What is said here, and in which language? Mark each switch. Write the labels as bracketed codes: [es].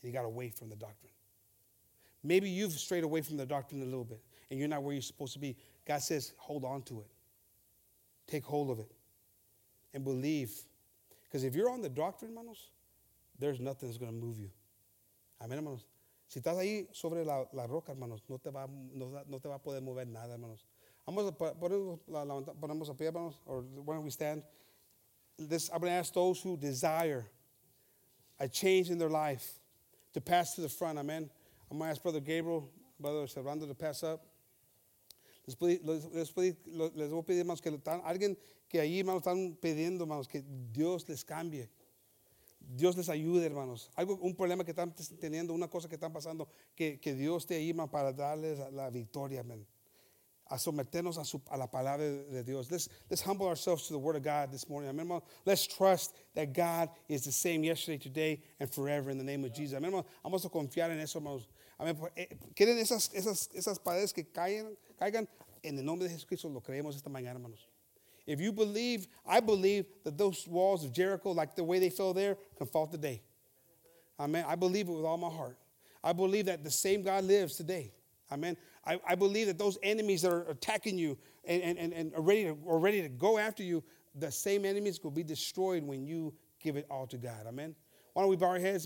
[en] And he got away from the doctrine. Maybe you've strayed away from the doctrine a little bit, and you're not where you're supposed to be. God says, hold on to it. Take hold of it and believe. Because if you're on the doctrine, hermanos, there's nothing that's going to move you. [es] Amen, hermanos. Si estás ahí sobre la roca, hermanos, no te va a poder mover nada, hermanos. Vamos a ponernos a pie, hermanos, [en] or where we stand. I'm going to ask those who desire a change in their life to pass to the front, amen. I'm going to ask Brother Gabriel, Brother Servando, to pass up. [es] Les voy a pedir, hermanos, que alguien que ahí, hermanos, están pidiendo, hermanos, que Dios les cambie. Dios les ayude, hermanos. Algo, un problema que están teniendo, una cosa que están pasando, que Dios te llama para darles la victoria, amen. A someternos a la palabra de Dios. [en] Let's humble ourselves to the word of God this morning, amen, hermanos. Let's trust that God is the same yesterday, today, and forever in the name of Jesus, amen, hermanos. [es] Vamos a confiar en eso, hermanos. Amen. Quieren esas paredes que caigan en el nombre de Jesucristo, lo creemos esta mañana, hermanos. [en] If you believe, I believe that those walls of Jericho, like the way they fell there, can fall today. Amen. I believe it with all my heart. I believe that the same God lives today. Amen. I believe that those enemies that are attacking you and are ready to go after you, the same enemies will be destroyed when you give it all to God. Amen. Why don't we bow our heads?